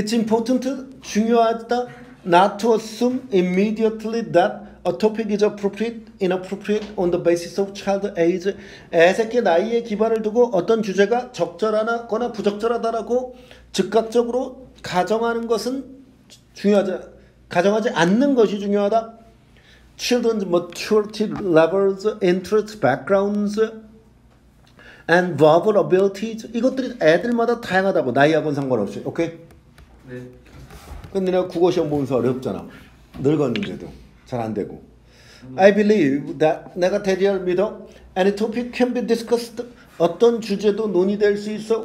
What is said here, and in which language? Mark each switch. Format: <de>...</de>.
<en>It's important</en> <ko>중요하다</ko> <en>not to assume immediately that a topic is appropriate, inappropriate on the basis of child age.</en> <ko>애새끼 나이에 기반을 두고 어떤 주제가 적절하거나 부적절하다라고 즉각적으로 가정하는 것은 중요하지, 가정하지 않는 것이 중요하다.</ko> <en>Children's maturity levels, interests, backgrounds, and verbal abilities.</en> <ko>이것들이 애들마다 다양하다고, 나이하고는 상관없이. 오케이? 네. 근데 내가 국어 시험 보면서 어렵잖아. 늙었는데도. 잘 안 되고.</ko> <en>I believe that</en> <ko>내가 대리를 믿어.</ko> <en>Any topic can be discussed.</en> <ko>어떤 주제도 논의될 수 있어.</ko>